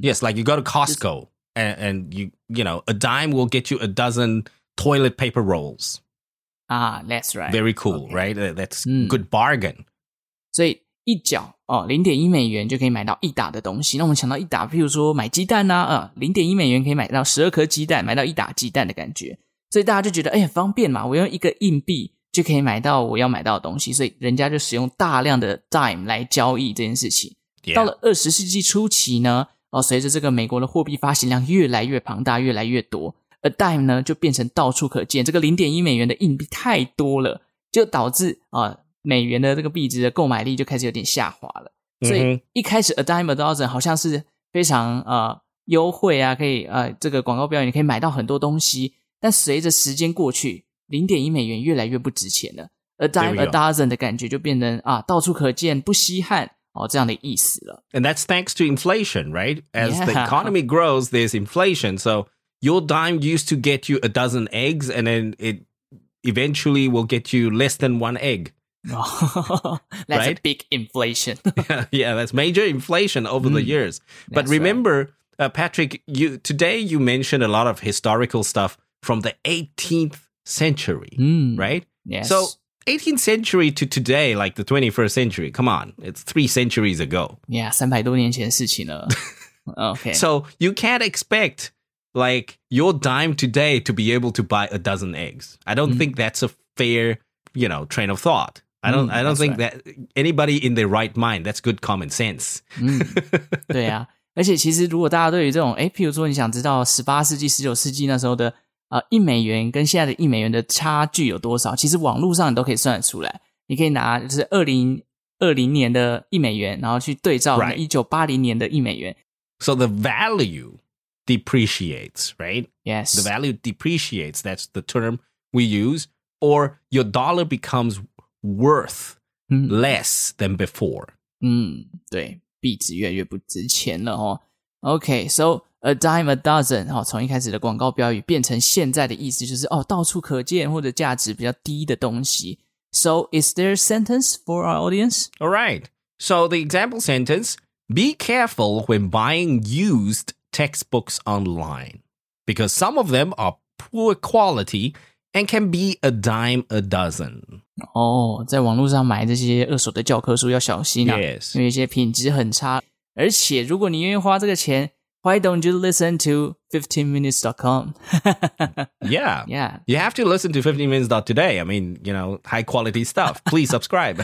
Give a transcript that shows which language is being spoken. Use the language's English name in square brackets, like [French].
[English] Yes, like you go to Costco、Just、and you know a dime will get you a dozen toilet paper rolls Ah, that's right Very cool,、okay. right? That's good bargain、 mm. [Chinese] 所以一角、哦、0.1 美元就可以买到一打的东西那我们想到一打譬如说买鸡蛋啊、0.1 美元可以买到12颗鸡蛋买到一打鸡蛋的感觉所以大家就觉得哎，方便嘛我用一个硬币就可以买到我要买到的东西所以人家就使用大量的 dime 来交易这件事情、 [English] yeah. [Chinese] 到了20世纪初期呢、哦、随着这个美国的货币发行量越来越庞大越来越多 a dime 呢就变成到处可见这个 0.1 美元的硬币太多了就导致美元的这个币值的购买力就开始有点下滑了所以一开始 a dime a dozen 好像是非常优惠啊可以这个广告标语可以买到很多东西但随着时间过去 0.1 美元越来越不值钱了 a dime a dozen 的感觉就变成啊到处可见不稀罕哦这样的意思了 [English] And that's thanks to inflation, right? As the economy grows, there's inflation, so your dime used to get you a dozen eggs, and then it eventually will get you less than one egg. That's right? A big inflation. yeah, that's major inflation over the years. But remember, right. Patrick, today you mentioned a lot of historical stuff from the 18th century, right? Yes. So 18th century to today, like the 21st century, come on, it's three centuries ago. [Chinese] Yeah, 300多年前的事情了.Okay. [English] So you can't expect like your dime today to be able to buy a dozen eggs. I don't think that's a fair, you know, train of thought. I don't think that anybody in their right mind, that's good common sense. [Chinese] 对啊，而且其实如果大家对于这种，诶，譬如说你想知道18世纪、19世纪那时候的一美元跟现在的一美元的差距有多少，其实网络上你都可以算得出来。你可以拿就是2020年的一美元，然后去对照那1980年的一美元。 [English] Right. So the value depreciates, right? Yes. The value depreciates, that's the term we use. Or your dollar becomes worth less than before. [Chinese] 对，币值越来越不值钱了哦。 [English] Okay, so [Chinese] a dime a dozen, 从一开始的广告标语变成现在的意思就是哦，到处可见或者价值比较低的东西。 [English] So is there a sentence for our audience? All right. So the example sentence, be careful when buying used textbooks online, because some of them are poor quality and can be a dime a dozen. [Chinese] 哦，在网络上买这些二手的教科书要小心啊。 [English] Yes. [Chinese] 因为一些品质很差。而且如果你愿意花这个钱， [English] why don't you listen to 15minutes.com? Yeah. Yeah. You have to listen to 15minutes.today. I mean, you know, high quality stuff. Please subscribe.